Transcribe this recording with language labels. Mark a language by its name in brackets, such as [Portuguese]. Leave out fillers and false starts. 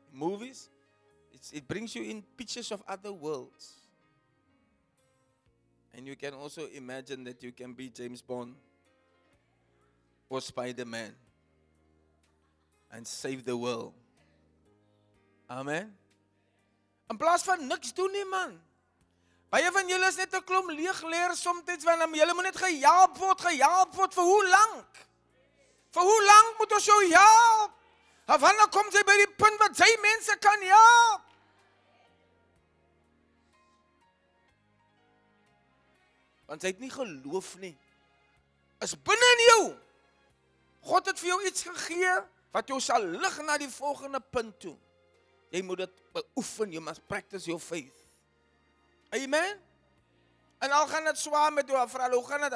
[English] Movies, it brings you in pictures of other worlds. And you can also imagine that you can be James Bond or Spider-Man and save the world. Amen. [Afrikaans] In plaas van niks doen nie, man. Baie van julle is net 'n klomp leeg leer soms, want julle moet net gehelp word vir hoe lank? Vir hoe lank moet ons jou help? En wanneer kom jy by die punt wat jy mense kan help? Want jy het nie geloof nie. Is binne in jou. God het vir jou iets gegee wat jou sal lig na die volgende punt toe. Jy moet dit beoefen, jy moet [English] practice your faith. Amen. [Afrikaans] En al gaan dit swaar met jou, vra hoe gaan dit?